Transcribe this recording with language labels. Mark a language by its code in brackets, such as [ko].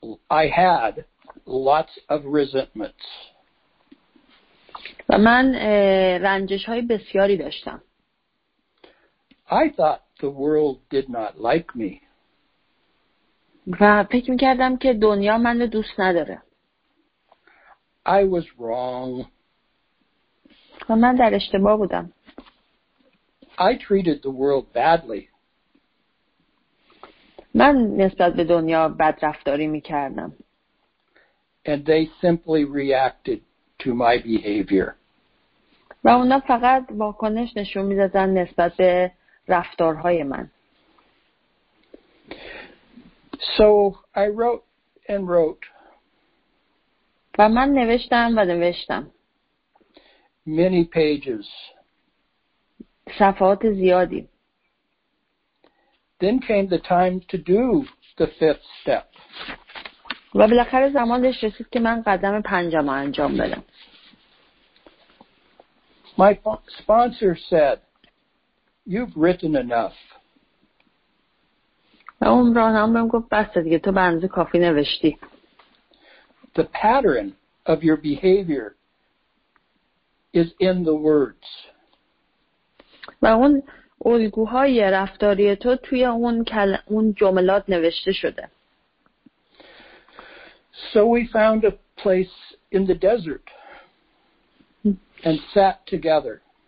[en] I had lots of resentments. [fa] و من رنجش های بسیاری داشتم. [en] I thought the world did not like me. [fa] و فکر میکردم که دنیا منو دوست نداره. [en] I was wrong. [fa] و من در اشتباه بودم. [en] I treated the world badly. [fa] من نسبت به دنیا بد رفتاری میکردم. [en] And they simply reacted to my behavior. [fa] و اونا فقط واکنش نشون میدادن نسبت به رفتارهای من. [en] So I wrote and wrote. [fa] و من نوشتم و نوشتم. [en] Many pages. [fa] صفحات زیادی. [en] Then came the time to do the fifth step. [fa] و بالاخره زمانش رسید که من قدم پنجم رو انجام بدم. [en] My sponsor said, "You've written enough." [fa] اون راهنما بهم گفت بس دیگه تو به اندازه کافی نوشتی. [en] The pattern of your behavior is in the words. [fa] و اون الگوهای رفتاری تو توی اون جملات نوشته شده. [en] So we found a place in the desert and sat together.